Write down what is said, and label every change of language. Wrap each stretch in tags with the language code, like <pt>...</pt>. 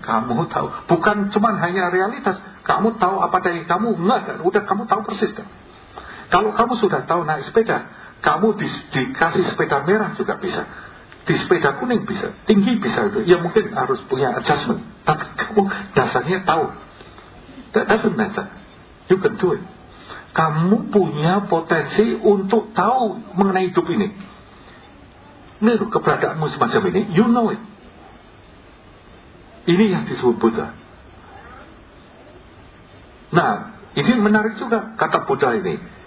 <id>Kamu tahu bukan cuma hanya realitas, kamu tahu apa adanya. Kamu enggak, udah kamu tahu persis kan? Kalau kamu sudah tahu naik sepeda, kamu dikasih sepeda merah juga bisa, di sepeda kuning bisa, tinggi bisa itu. Ya mungkin harus punya adjustment, tapi kamu dasarnya tahu.</id> <en>That doesn't matter, you can do it.</en> <id>Kamu punya potensi untuk tahu mengenai hidup ini. Ini keberadaanmu semacam ini,</id> <en>you know it.</en> <id>Ini yang disebut Buddha. Nah, ini menarik juga kata Buddha ini.</id>